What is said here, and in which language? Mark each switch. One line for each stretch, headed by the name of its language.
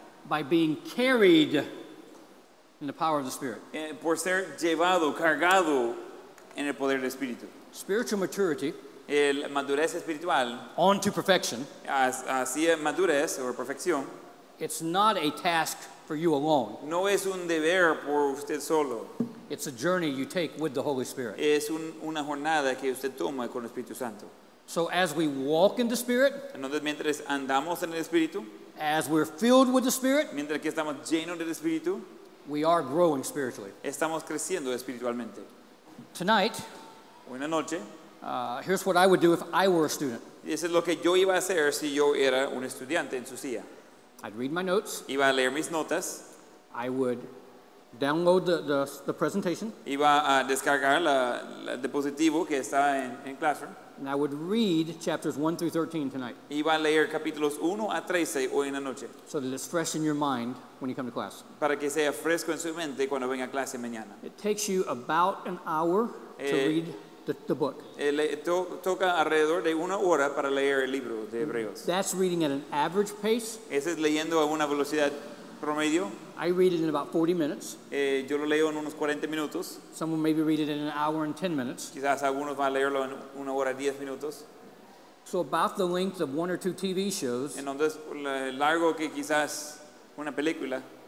English: By being carried in the power of the Spirit.
Spanish: Por ser llevado, cargado en el poder del Espíritu.
English: Spiritual maturity.
Spanish: El madurez espiritual.
English: On to perfection.
Spanish: Hacia madurez o perfección.
English: It's not a task for you alone.
Spanish: No es un deber por usted solo.
English: It's a journey you take with the Holy Spirit.
Spanish: Es una jornada que usted toma con el Espíritu Santo.
English: So as we walk in the Spirit,
Spanish: entonces mientras andamos en el Espíritu,
English: as we're filled with the Spirit,
Spanish: mientras que estamos llenos del Espíritu,
English: we are growing spiritually.
Spanish: Estamos creciendo espiritualmente.
English: Tonight,
Spanish: una noche,
English: here's what I would do if I were a student.
Spanish: Eso es lo que yo iba a hacer si yo era un estudiante en su silla.
English: I'd read my notes.
Spanish: Iba a leer mis notas.
English: I would download the presentation.
Spanish: Iba a descargar la dispositivo que está en classroom.
English: And I would read chapters 1 through 13 tonight.
Spanish: Iba a leer capítulos 1 a 13 hoy en la noche.
English: So that it's fresh in your mind when you come to class.
Spanish: Para que sea fresco en su mente cuando venga a clase mañana.
English: It takes you about an hour to read the book.
Spanish: Toca alrededor de una hora para leer el libro de Hebreos.
English: That's reading at an average pace.
Spanish: Ese es leyendo a una velocidad promedio.
English: I read it in about 40 minutes.
Spanish: Yo lo leo en unos 40 minutos.
English: Someone maybe read it in an hour and 10 minutes.
Spanish: Quizás algunos van a leerlo en una hora 10 minutos.
English: So about the length of one or two TV shows.
Spanish: En donde es largo que quizás una película.